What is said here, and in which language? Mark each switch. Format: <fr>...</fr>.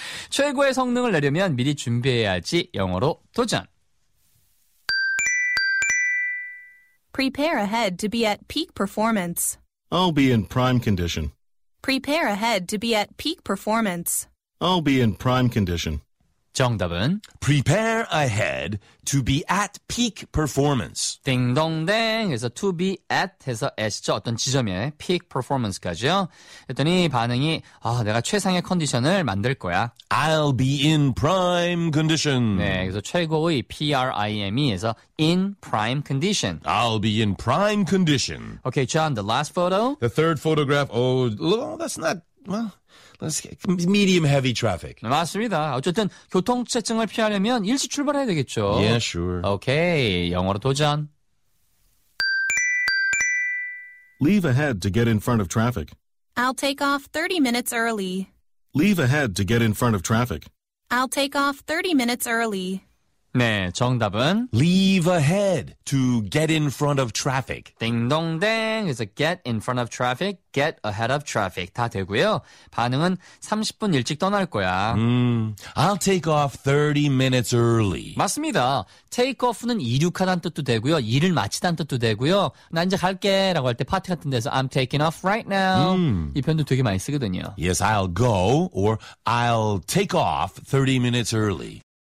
<ko>최고의 성능을 내려면 미리 준비해야지. 영어로 도전.</ko> <en>Prepare ahead to be at peak performance. I'll be in prime condition. Prepare ahead to be at peak performance. I'll be in prime condition.</en> <ko>정답은</ko> <en>Prepare ahead to be at peak performance.</en> <ko>딩동댕. 그래서 to be at 해서 at죠. 어떤 지점에 peak performance까지요. 했더니 반응이 내가 최상의 컨디션을 만들 거야.</ko> <en>I'll be in prime condition.</en> <ko>네, 그래서 최고의 prime에서 in prime condition.</ko> <en>I'll be in prime condition. Okay, John, the last photo. The third photograph. Oh, that's not... Well, let's get medium heavy traffic.</en> <ko>맞습니다. 어쨌든 교통체증을 피하려면 일찍 출발해야 되겠죠.</ko> <en>Yeah, sure.</en> <ko>Okay, 영어로 도전.</ko> <en>Leave ahead to get in front of traffic. I'll take off 30 minutes early. Leave ahead to get in front of traffic. I'll take off 30 minutes early.</en> <ko>네, 정답은</ko> <en>Leave ahead to get in front of traffic.</en> <ko>딩동댕.</ko> <en>It's a get in front of traffic, get ahead of traffic.</en> <ko>다 되고요. 반응은 30분 일찍 떠날 거야.</ko> <en>I'll take off 30 minutes early.</en> <ko>맞습니다. Take off는 이륙하다는 뜻도 되고요. 일을 마치다는 뜻도 되고요. 나 이제 갈게 라고 할 때 파티 같은 데서</ko> <en>I'm taking off right now.</en> <ko>이 표현도 되게 많이 쓰거든요.</ko> <en>Yes, I'll go or I'll take off 30 minutes early.</en>